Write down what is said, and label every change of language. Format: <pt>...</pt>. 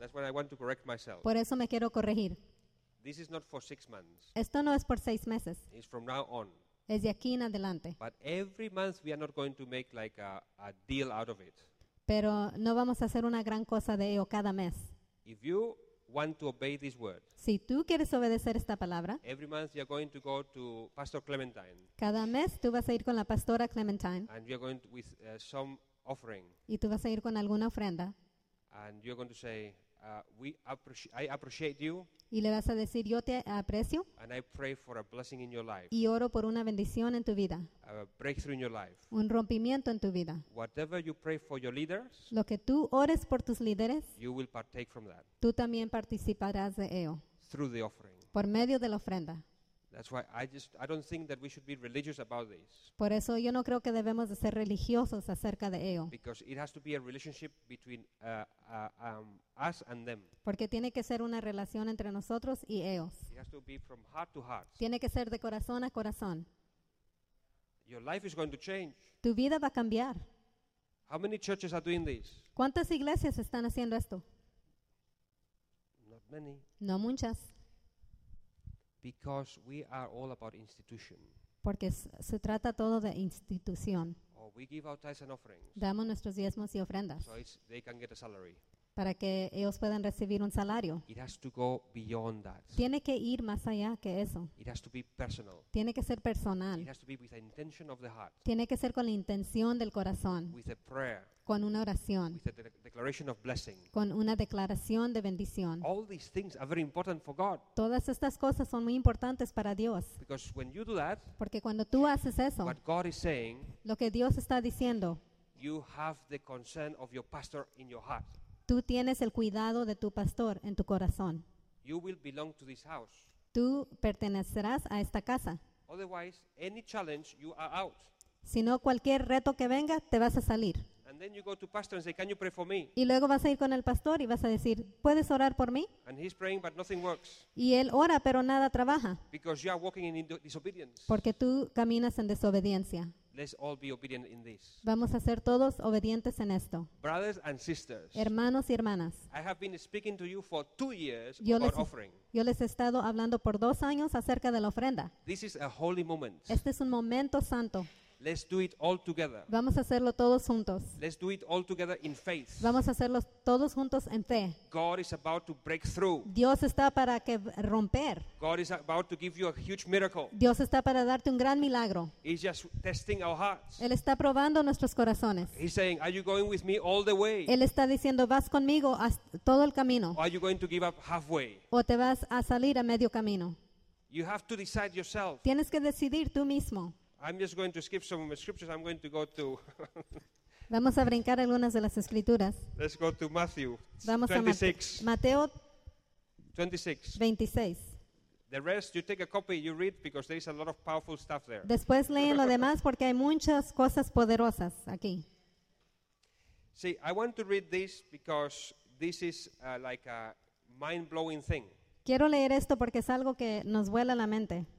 <en>And that's what I want to correct myself.</en> <es>Por eso me quiero corregir.</es> <en>This is not for 6 months.</en> <es>Esto no es por 6 meses.</es> <en>It's from now on.</en> <es>Es de aquí en adelante.</es> <en>But every month we are not going to make like a deal out of it.</en> <es>Pero no vamos a hacer una gran cosa de ello cada mes.</es> <en>If you want to obey this word.</en> <es>Si tú quieres obedecer esta palabra.</es> <en>Every month you're going to go to Pastor Clementine.</en> <es>Cada mes tú vas a ir con la pastora Clementine.</es> <en>And you're going to with some offering.</en> <es>Y tú vas a ir con alguna ofrenda.</es> <en>And you're going to say, I appreciate you.</en> <es>Y le vas a decir, yo te aprecio.</es> <en>And I pray for a blessing in your life.</en> <es>Y oro por una bendición en tu vida.</es> <en>A breakthrough in your life.</en> <es>Un rompimiento en tu vida.</es> <en>Whatever you pray for your leaders,</en> <es>lo que tú ores por tus líderes,</es> <en>you will partake from that.</en> <es>Tú también participarás de ello.</es> <en>Through the offering.</en> <es>Por medio de la ofrenda.</es> <en>That's why I don't think that we should be religious about this.</en> <es>Por eso yo no creo que debemos de ser religiosos acerca de ello.</es> <en>Because it has to be a relationship between us and them.</en> <es>Porque tiene que ser una relación entre nosotros y ellos.</es> <en>It has to be from heart to heart.</en> <es>Tiene que ser de corazón a corazón.</es> <en>Your life is going to change.</en> <es>Tu vida va a cambiar.</es> <en>How many churches are doing this?</en> <es>¿Cuántas iglesias están haciendo esto?</es> <en>Not many.</en> <es>No muchas.</es> <en>Because we are all about institution.</en> <es>Porque se trata todo de institución.</es> <en>Or we give our tithes and offerings.</en> <es>Damos nuestros diezmos y ofrendas.</es> <en>So they can get a salary.</en> <es>Para que ellos puedan recibir un salario.</es> <en>It has to go beyond that.</en> <es>Tiene que ir más allá que eso.</es> <en>It has to be personal.</en> <es>Tiene que ser personal.</es> <en>It has to be with the intention of the heart.</en> <es>Tiene que ser con la intención del corazón.</es> <en>With a prayer.</en> <es>Con una oración.</es> <en>With a declaration of blessing.</en> <es>Con una declaración de bendición.</es> <en>All these things are very important for God.</en> <es>Todas estas cosas son muy importantes para Dios.</es> <en>Because when you do that,</en> <es>porque cuando tú haces eso,</es> <en>what God is saying,</en> <es>lo que Dios está diciendo,</es> <en>you have the concern of your pastor in your heart.</en> <es>Tú tienes el cuidado de tu pastor en tu corazón.</es> <en>You will belong to this house.</en> <es>Tú pertenecerás a esta casa.</es> <en>Otherwise, any challenge, you are out.</en> <es>Si no, cualquier reto que venga, te vas a salir.</es> <en>And then you go to pastor and say, can you pray for me?</en> <es>Y luego vas a ir con el pastor y vas a decir, ¿puedes orar por mí?</es> <en>And he's praying, but nothing works.</en> <es>Y él ora, pero nada trabaja.</es> <en>Because you are walking in disobedience.</en> <es>Porque tú caminas en desobediencia.</es> <en>Let's all be obedient in this.</en> <es>Vamos a ser todos obedientes en esto.</es> <en>Brothers and sisters.</en> <es>Hermanos y hermanas.</es> <en>I have been speaking to you for 2 years about offering.</en> <es>Yo les he estado hablando por 2 años acerca de la ofrenda.</es> <en>This is a holy moment.</en> <es>Este es un momento santo.</es> <en>Let's do it all together.</en> <es>Vamos a hacerlo todos juntos.</es> <en>Let's do it all together in faith.</en> <es>Vamos a hacerlo todos juntos en fe.</es> <en>God is about to break through.</en> <es>Dios está para que romper.</es> <en>God is about to give you a huge miracle.</en> <es>Dios está para darte un gran milagro.</es> <en>He's just testing our hearts.</en> <es>Él está probando nuestros corazones.</es> <en>He's saying, are you going with me all the way?</en> <es>Él está diciendo, vas conmigo todo el camino.</es> <en>Or are you going to give up halfway?</en> <es>O te vas a salir a medio camino.</es> <en>You have to decide yourself.</en> <es>Tienes que decidir tú mismo.</es> <en>I'm just going to skip some of my scriptures. I'm going to go to.</en> <es>Vamos a brincar algunas de las escrituras.</es> <en>Let's go to Matthew.</en> <es>Vamos 26. A Mateo. 26.</es> <en>The rest, you take a copy, you read, because there is a lot of powerful stuff there.</en> <es>Después leen lo demás porque hay muchas cosas poderosas aquí.</es> <en>See, I want to read this because this is like a mind-blowing thing.</en> <es>Quiero leer esto porque es algo que nos vuela la mente.</es>